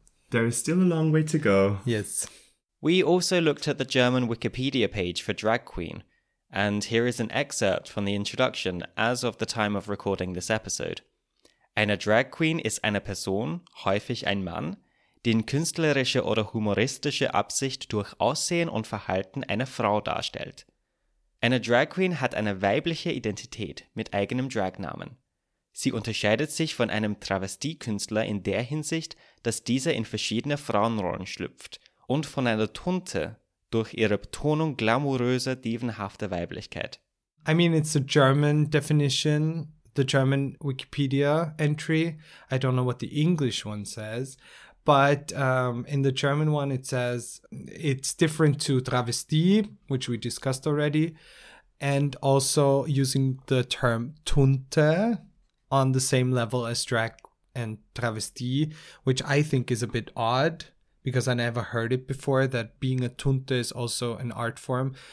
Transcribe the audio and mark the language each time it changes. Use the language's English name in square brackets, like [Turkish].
[English] There is still a long way to go. Yes. We also looked at the German Wikipedia page for drag queen, and here is an excerpt from the introduction as of the time of recording this episode. [German] Eine Drag Queen ist eine Person, häufig ein Mann, den künstlerische oder humoristische Absicht durch Aussehen und Verhalten einer Frau darstellt. Eine Drag Queen hat eine weibliche Identität mit eigenem Dragnamen. Sie unterscheidet sich von einem Travestiekünstler in der Hinsicht, dass dieser in verschiedene Frauenrollen schlüpft und von einer Tunte durch ihre Betonung glamouröser, dievenhafter Weiblichkeit. [English] I mean, it's a German definition, the German Wikipedia entry. I don't know what the English one says, but in the German one it says it's different to travestie, which we discussed already, and also using the term Tunte on the same level as drag and travesti, which I think is a bit odd because I never heard it before that being a tunte is also an art form.